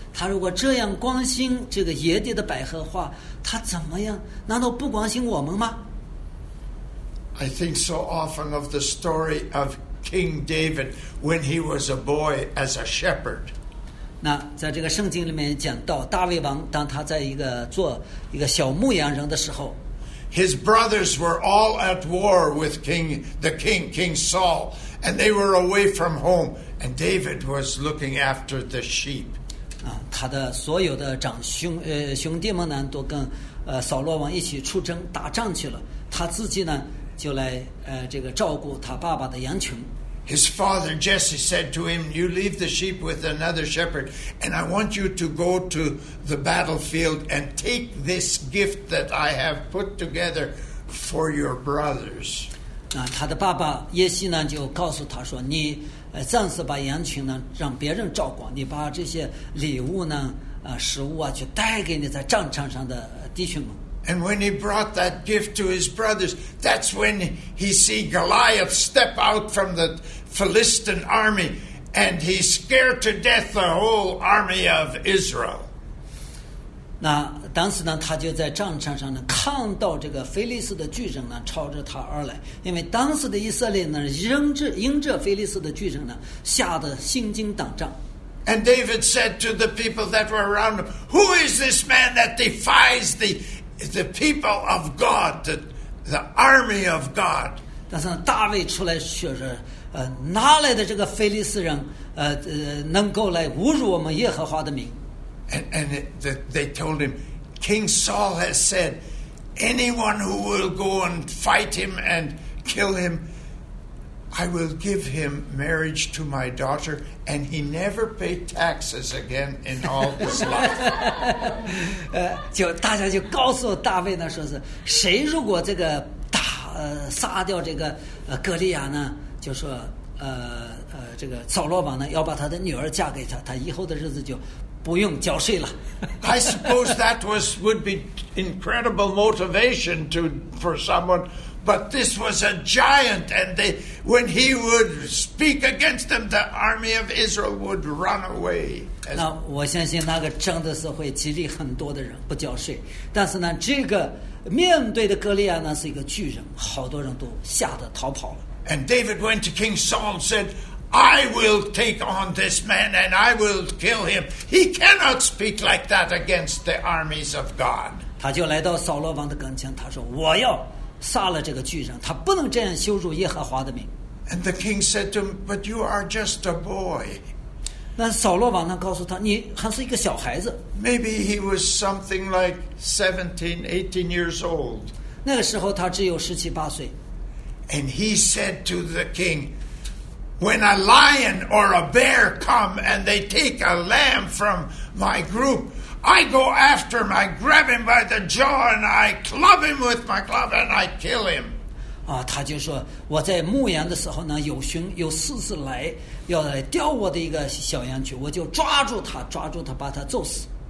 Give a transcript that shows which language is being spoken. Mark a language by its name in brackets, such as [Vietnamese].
[Chinese] 他如果这样关心这个野地的百合花，他怎么样？难道不关心我们吗？ [English] I think so often of the story of King David when he was a boy as a shepherd. [Chinese] 那在这个圣经里面讲到大卫王，当他在一个做一个小牧羊人的时候。 [English] His brothers were all at war with King Saul, and they were away from home, and David was looking after the sheep. [Chinese] 他的所有的长兄兄弟们呢，都跟扫罗王一起出征打仗去了。他自己呢，就来这个照顾他爸爸的羊群。 [English] His father Jesse said to him, "You leave the sheep with another shepherd, and I want you to go to the battlefield and take this gift that I have put together for your brothers." [Chinese] 那他的爸爸耶西呢，就告诉他说，你暂时把羊群呢让别人照管，你把这些礼物呢食物啊，去带给你在战场上的弟兄们。 [English] And when he brought that gift to his brothers, that's when he see Goliath step out from the Philistine army, and he scared to death the whole army of Israel. [Chinese] 那当时呢，他就在战场上呢，看到这个腓力斯的巨人呢，朝着他而来。因为当时的以色列呢，迎着腓力斯的巨人呢，吓得心惊胆战。 [English] And David said to the people that were around him, "Who is this man that defies the?" The people of God, the army of God. [Chinese] 但是大卫出来说是，哪来的这个腓力斯人，能够来侮辱我们耶和华的名？ [English] And they told him, King Saul has said, anyone who will go and fight him and kill him, I will give him marriage to my daughter, and he never paid taxes again in all his life. [Chinese] 就大家就告诉大卫呢，说是谁如果这个打杀掉这个哥利亚呢，就说这个扫罗王呢要把他的女儿嫁给他，他以后的日子就不用交税了。 [English] I suppose that would be incredible motivation for someone. But this was a giant, and when he would speak against them, the army of Israel would run away. [Chinese] 那我相信那个真的是会激励很多的人不交税。但是呢，这个面对的哥利亚呢是一个巨人，好多人都吓得逃跑了。 [English] And David went to King Saul and said, "I will take on this man and I will kill him. He cannot speak like that against the armies of God." [Chinese] 他就来到扫罗王的跟前，他说：“我要。” 杀了这个巨人，他不能这样羞辱耶和华的名。 [English] And the king said to him, "But you are just a boy." [Chinese] 那扫罗王呢？告诉他，你还是一个小孩子。 [English] Maybe he was something like 17, 18 years old. [Chinese] 那个时候他只有十七八岁。 [English] And he said to the king, "When a lion or a bear come and they take a lamb from my group." I go after him, I grab him by the jaw, and I club him with my club, and I kill him. [Chinese] 他就说，我在牧羊的时候呢，有狮子来，要来叼我的一个小羊群，我就抓住他，把他揍死。